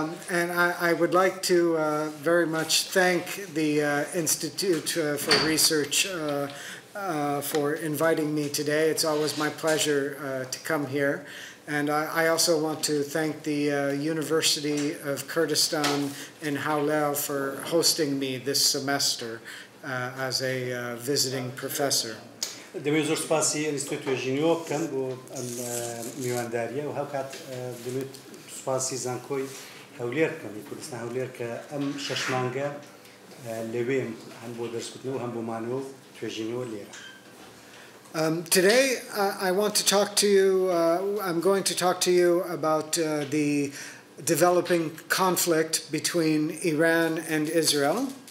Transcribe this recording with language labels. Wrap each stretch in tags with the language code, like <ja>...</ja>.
<en>And I would like to very much thank the Institute for Research for inviting me today. It's always my pleasure to come here. And I also want to thank the University of Kurdistan in Hawlao for hosting me this semester as a visiting professor.</en> <ckb>دەمەوێت زۆر سوپاسی ئینستیتوتی توێژینەوە بکەم بۆ ئەم میوانداریە و هەوکات دەمەوێت سوپاسی زانکۆی هەولێر بکەم لە کوردستان هەولێر کە ئەم شەش مانگە لەوێم هەم بۆ دەرسکوتنەوە هەم بۆ مانەوە توێژینەوە لێرە.</ckb> <en>Today I want to talk to you, I'm going to talk to you about the developing conflict between Iran and Israel.</en>